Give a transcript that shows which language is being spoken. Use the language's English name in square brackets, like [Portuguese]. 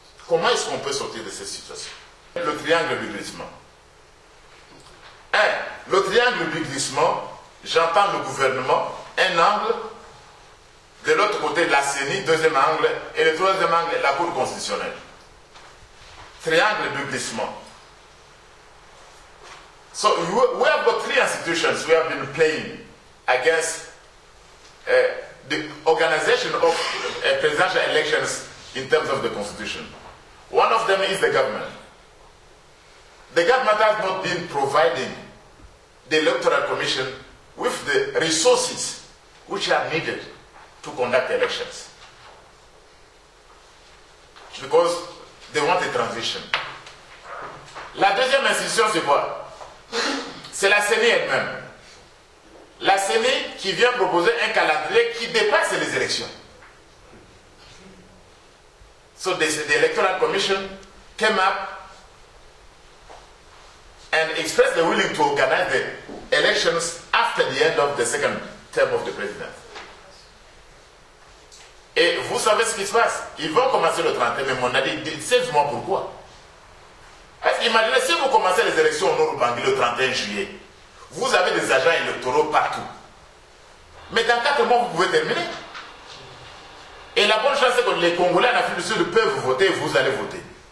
[French] Le triangle du glissement. Le triangle du glissement, j'entends le gouvernement, un angle, de l'autre côté la CENI, deuxième angle, et le troisième angle, la Cour constitutionnelle. Triangle du glissement. [English] So we have got three institutions we have been playing against the organization of presidential elections in terms of the constitution. One of them is the government. The government has not been providing the electoral commission with the resources which are needed to conduct elections. Because they want a transition. [French] La deuxième institution, c'est quoi? C'est la CENI elle-même. La CENI qui vient proposer un calendrier qui dépasse les élections. [English] So the Electoral Commission came up and expressed the willing to organize the elections after the end of the second term of the president. [French] Et vous savez ce qui se passe. Ils vont commencer le 31, mais mon ami, dites-moi pourquoi. Parce qu'imaginez, si vous commencez les élections au Nord-Ubangi le 31 juillet, vous avez des agents électoraux partout. Mais dans 4 mois, vous pouvez terminer. Et la bonne chance, c'est que les Congolais en Afrique du Sud peuvent voter et vous allez voter.